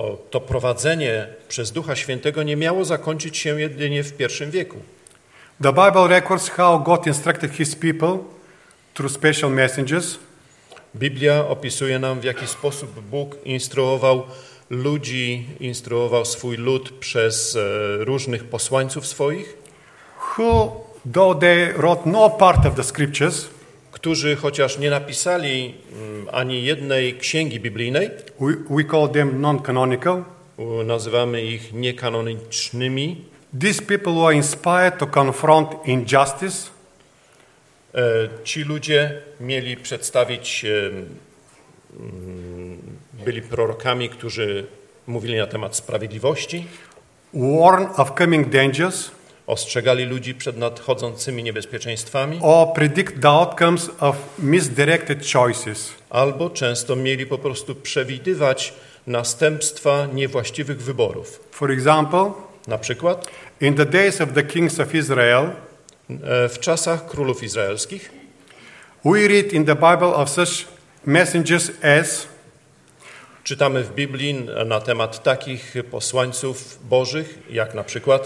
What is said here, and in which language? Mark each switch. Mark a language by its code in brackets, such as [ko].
[pl] to prowadzenie przez Ducha Świętego nie miało zakończyć się jedynie w pierwszym wieku. [en] The Bible records how God instructed his people through special messengers. [pl] Biblia opisuje nam, w jaki sposób Bóg instruował ludzi, instruował swój lud przez różnych posłańców swoich, [en] who, though they wrote no part of the scriptures, [pl] którzy chociaż nie napisali ani jednej księgi biblijnej, [en] we call them non-canonical, [pl] nazywamy ich niekanonicznymi. [en] These people were inspired to confront injustice. [pl] Ci ludzie mieli przedstawić, byli prorokami, którzy mówili na temat sprawiedliwości. [en] Warn of coming dangers. [pl] Ostrzegali ludzi przed nadchodzącymi niebezpieczeństwami. [en] Or predict the outcomes of misdirected choices. [pl] Albo często mieli po prostu przewidywać następstwa niewłaściwych wyborów. [en] For example, [pl] na przykład, [en] in the days of the kings of Israel, [pl] w czasach królów izraelskich, [en] we read in the Bible of such messengers as, [pl] czytamy w Biblii na temat takich posłańców Bożych, jak na przykład